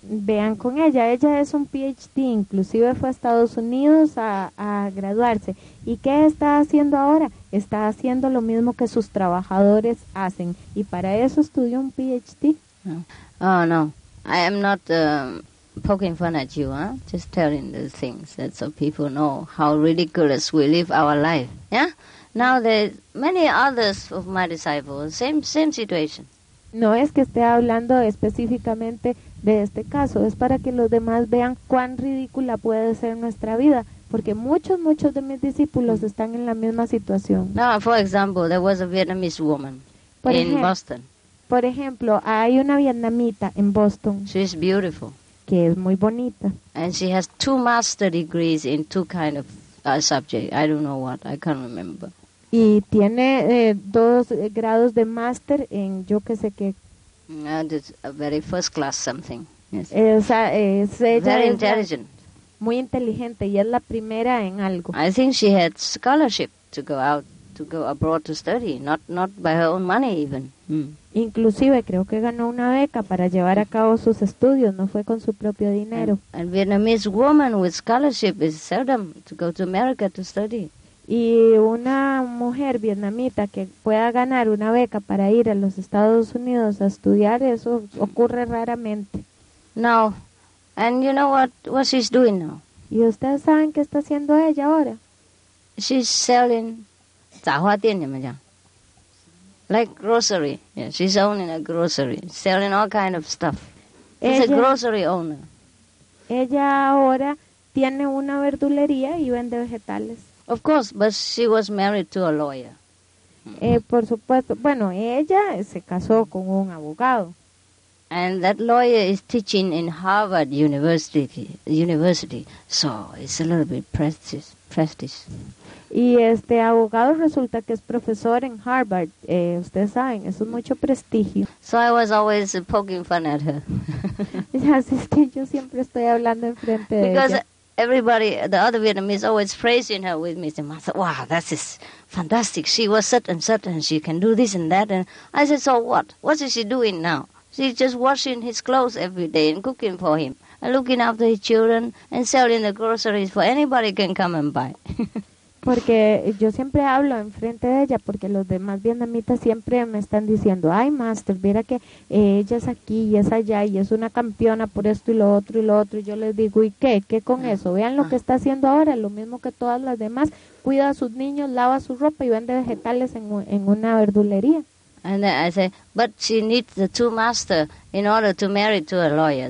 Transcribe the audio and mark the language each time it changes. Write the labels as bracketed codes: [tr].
[es] Vean con ella, ella es un PhD, inclusive fue a Estados Unidos a graduarse. ¿Y qué está haciendo ahora? Está haciendo lo mismo que sus trabajadores hacen. Y para eso estudió un PhD. [en] Oh, no. I am not poking fun at you, huh? Just telling the things that so people know how ridiculous we live our life. Yeah? Now there's many others of my disciples, same situation. [es] No es que esté hablando específicamente de este caso, es para que los demás vean cuán ridícula puede ser nuestra vida, porque muchos de mis discípulos están en la misma situación. [en] Now, for example, there was a Vietnamese woman in Boston. [es] Por ejemplo, hay una vietnamita en Boston. [en] She's beautiful. [es] Que es muy bonita. [en] And she has two master degrees in two kind of subject. I don't know what. I can't remember. [es] Y tiene dos grados de máster en yo que sé qué. [en] A very first class something. Yes. Very intelligent. [es] Muy inteligente y es la primera en algo. [en] I think she had scholarship to go out to go abroad to study, not by her own money even. [es] Inclusive creo que ganó una beca para llevar a cabo sus estudios, no fue con su propio dinero. [en] And Vietnamese woman with scholarship is seldom to go to America to study. [es] Y una mujer vietnamita que pueda ganar una beca para ir a los Estados Unidos a estudiar, eso ocurre raramente. [en] No. And you know what she's doing now? [es] ¿Y ustedes saben qué está haciendo ella ahora? [en] She's selling 杂货店, you know? Like grocery. Yeah, she's owning a grocery, selling all kind of stuff. She's a grocery owner. [es] Ella ahora tiene una verdulería y vende vegetales. [en] Of course, but she was married to a lawyer. [es] Por supuesto. Bueno, ella se casó con un abogado. [en] And that lawyer is teaching in Harvard University. So it's a little bit prestige. [es] Y este abogado resulta que es profesor en Harvard. Ustedes saben, eso es mucho prestigio. [en] So I was always poking fun at her. [es] Así es que yo siempre estoy hablando enfrente de [en] Because [es] ella. [en] Everybody, the other Vietnamese, always praising her with me. I thought, wow, that is fantastic. She was such and such, and she can do this and that. And I said, so what? What is she doing now? She's just washing his clothes every day and cooking for him and looking after his children and selling the groceries for anybody can come and buy. [es] Porque yo siempre hablo enfrente de ella, porque los demás vietnamitas siempre me están diciendo, ay, master, mira que ella es aquí y es allá y es una campeona por esto y lo otro y lo otro. Y yo les digo, ¿y qué? ¿Qué con eso? Vean lo que está haciendo ahora, lo mismo que todas las demás. Cuida a sus niños, lava su ropa y vende vegetales en una verdulería. [en] And then I say, but she needs the two master in order to marry to a lawyer.